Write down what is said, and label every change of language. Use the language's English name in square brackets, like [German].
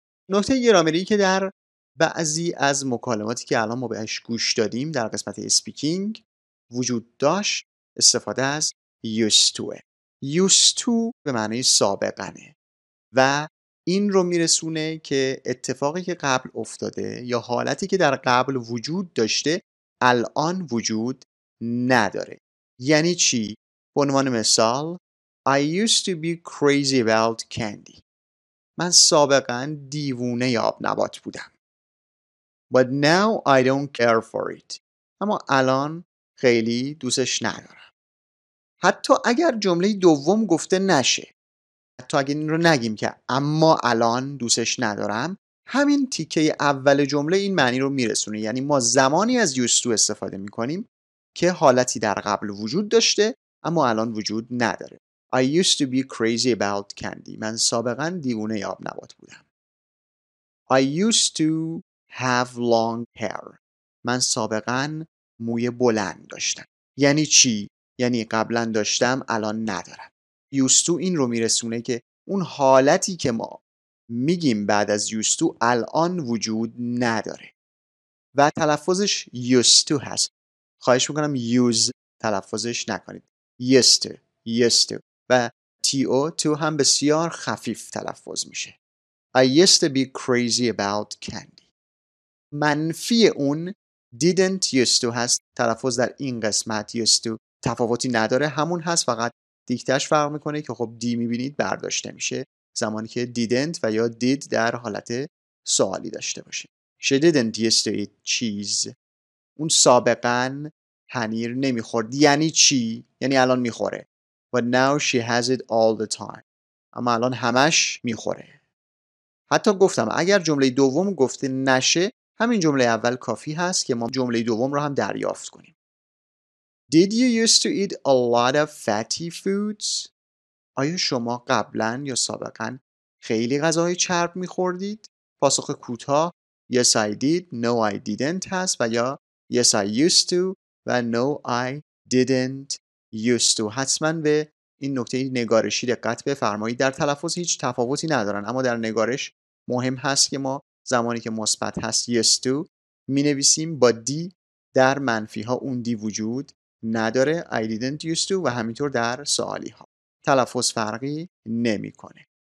[Persian] نکته گرامری که در بعضی از مکالماتی که الان ما بهش گوش دادیم در قسمت اسپیکینگ وجود داشت، استفاده از used to. used to به معنی سابقنه و این رو میرسونه که اتفاقی که قبل افتاده یا حالتی که در قبل وجود داشته الان وجود نداره. یعنی چی؟ به عنوان مثال، [English] I used to be crazy about candy. [Persian] من سابقا دیوونه آب نبات بودم. [English] But now I don't care for it. [Persian] اما الان خیلی دوستش ندارم. حتی اگر جمله دوم گفته نشه، حتی اگر این رو نگیم که اما الان دوستش ندارم، همین تیکه اول جمله این معنی رو میرسونه. یعنی ما زمانی از used to استفاده میکنیم که حالتی در قبل وجود داشته اما الان وجود نداره. [English] I used to be crazy about candy. [Persian] من سابقا دیوونه آب نبات بودم. [English] I used to have long hair. [Persian] من سابقا موی بلند داشتم. یعنی چی؟ یعنی قبلا داشتم الان ندارم. Used to این رو میرسونه که اون حالتی که ما میگیم بعد از used to الان وجود نداره. و تلفظش used to هست. خواهش میکنم use تلفظش نکنید. [English] Used to. Used to. [Persian] و تی او تو هم بسیار خفیف تلفظ میشه. [English] I used to be crazy about candy. [Persian] منفی اون didn't used to هست. تلفظ در این قسمت used to تفاوتی نداره. همون هست، فقط دیکتش فرق میکنه که خب دی میبینید برداشته میشه زمانی که didn't و یا did در حالت سوالی داشته باشه. [English] She didn't used to eat cheese. [Persian] اون سابقاً پنیر نمیخورد. یعنی چی؟ یعنی الان میخوره. [English] But now she has it all the time. [Persian] اما الان همش میخوره. حتی گفتم اگر جمله دوم گفته نشه همین جمله اول کافی هست که ما جمله دوم رو هم دریافت کنیم. [English] Did you used to eat a lot of fatty foods? [Persian] آیا شما قبلن یا سابقاً خیلی غذاهای چرب میخوردید؟ پاسخ کوتاه [English] Yes I did, No I didn't [Persian] هست و یا [English] Yes I used to [Persian] و [English] No I didn't used to. [Persian] حتما به این نکته نگارشی دقت بفرمایید. در تلفظ هیچ تفاوتی ندارن اما در نگارش مهم هست که ما زمانی که مثبت هست yes to می نویسیم با دی، در منفی ها اون دی وجود نداره، [English] I didn't used to، [Persian] و همینطور در سوالی ها تلفظ فرقی نمی کنه.